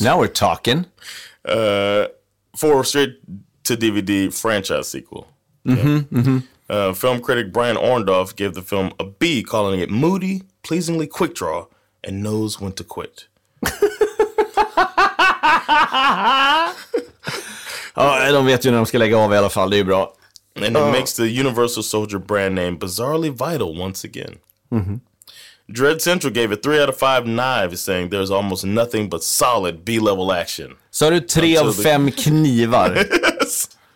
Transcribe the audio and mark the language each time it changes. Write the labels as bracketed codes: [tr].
[en] Now we're talking. For a straight-to-DVD franchise sequel. Film critic Brian Orndorff gave the film a B, calling it moody, pleasingly quick draw, and knows when to quit. [sv] Ja, de vet ju när de ska lägga av i alla fall, det är bra. [en] And it makes the Universal Soldier brand name bizarrely vital once again. Mm-hmm. Dread Central gave it 3 out of 5 knives, saying there's almost nothing but solid B-level action. [sv] Så har du 3 av 5 knivar. [en] Yes.